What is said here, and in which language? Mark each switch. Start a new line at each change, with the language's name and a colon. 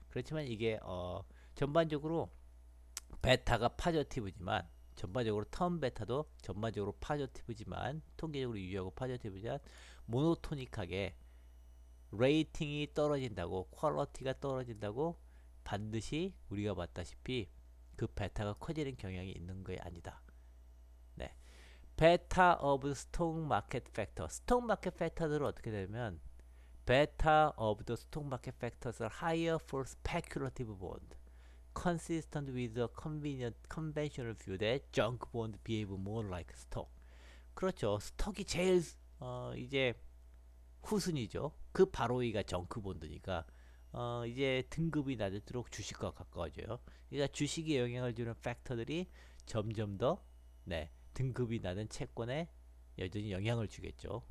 Korean: 그렇지만 이게 전반적으로 베타가 파저티브지만 전반적으로 텀 베타도 전반적으로 파저티브지만 통계적으로 유효하고 파저티브지만 모노토닉하게 레이팅이 떨어진다고 퀄러티가 떨어진다고 반드시 우리가 봤다시피 그 베타가 커지는 경향이 있는 게 아니다. 네, 베타
English: of stock market factor.
Korean: stock market factor들은 어떻게 되냐면 베타
English: of the stock market factors are higher for speculative bond, consistent with a convenient conventional view that junk bond behave more like stock.
Korean: 그렇죠. 스톡이 제일 이제 후순위죠. 그 바로 위가 junk bond니까. 이제 등급이 낮을수록 주식과 가까워져요. 그러니까 주식에 영향을 주는 팩터들이 점점 더, 네, 등급이 낮은 채권에 여전히 영향을 주겠죠.